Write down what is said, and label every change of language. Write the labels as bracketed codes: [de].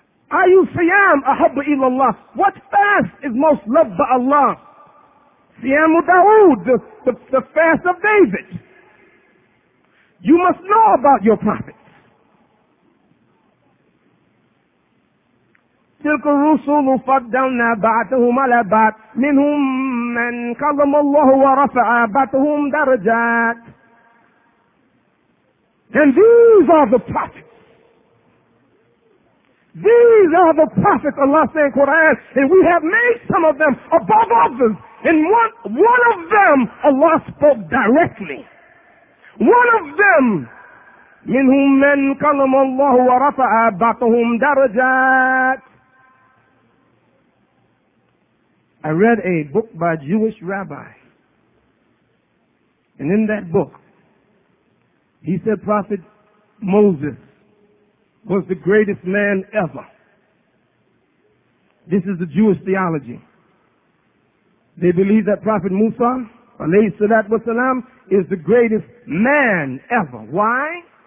[ar] Are you siyam ahabu illallah? [en] What fast is most loved by Allah? [ar] Siyamu Dawood. [en] The fast of David. You must know about your prophet. [ar] تِلْكُ الرُّسُلُ فَضَّلْنَا بَعْضَهُمْ عَلَى بَعْضٍ مِنْهُمْ مَنْ كَلَّمَ اللَّهُ وَرَفَعَ بَعْضَهُمْ دَرَجَاتٍ. [en] And these are the prophets. These are the prophets, Allah said in Quran, and we have made some of them above others. And one of them, Allah spoke directly. One of them, [ar] منهم من كلم الله ورفع بعضهم درجات. [en] I read a book by a Jewish rabbi. And in that book, he said Prophet Moses was the greatest man ever. This is the Jewish theology. They believe that Prophet Musa, alayhi salat wa salam, is the greatest man ever. Why?